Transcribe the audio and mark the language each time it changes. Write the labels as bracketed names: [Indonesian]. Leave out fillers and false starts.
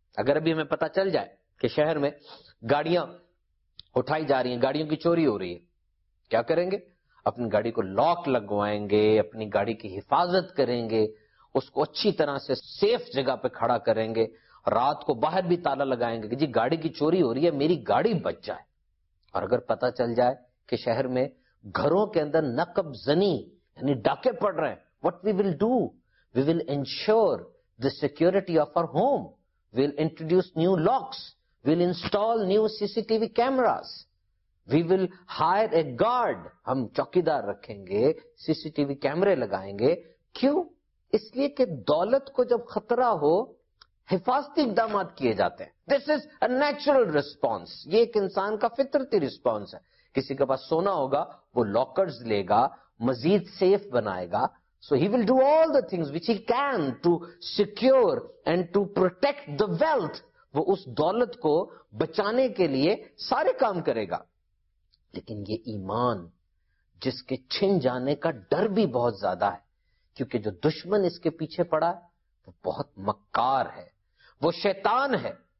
[Urdu] اگر ابھی ہمیں پتا چل جائے کہ شہر میں گاڑیاں اٹھائی جا رہی ہیں, گاڑیوں کی چوری ہو رہی ہے, کیا کریں گے؟ اپنی گاڑی کو لاک لگوائیں گے, اپنی گاڑی کی حفاظت کریں گے, اس کو اچھی طرح سے سیف جگہ پہ کھڑا کریں گے, رات کو باہر بھی تالا لگائیں گے کہ جی گاڑی کی چوری ہو رہی ہے, میری گاڑی بچ جائے. اور اگر پتا چل جائے کہ شہر میں گھروں کے اندر نقب زنی یعنی ڈاکے پڑ رہے ہیں, [English] what we will do, we will ensure the security of our home, we will introduce new locks, we will install new CCTV cameras, we will hire a guard, [Urdu] ہم چوکیدار رکھیں گے, CCTV کیمرے لگائیں گے. کیوں؟ اس لیے کہ دولت کو جب خطرہ ہو حفاظتی اقدامات کیے جاتے ہیں. [English] This is a natural response. [Urdu] یہ ایک انسان کا فطرتی response ہے. کسی کے پاس سونا ہوگا وہ lockers لے گا, مزید سیف بنائے گا. [English] So he will do all the things which he can to secure and to protect the wealth. [Urdu] وہ اس دولت کو بچانے کے لیے سارے کام کرے گا. لیکن یہ ایمان جس کے چھن جانے کا ڈر بھی بہت زیادہ ہے, کیونکہ جو دشمن اس کے پیچھے پڑا ہے وہ بہت مکار ہے, وہ شیطان ہے.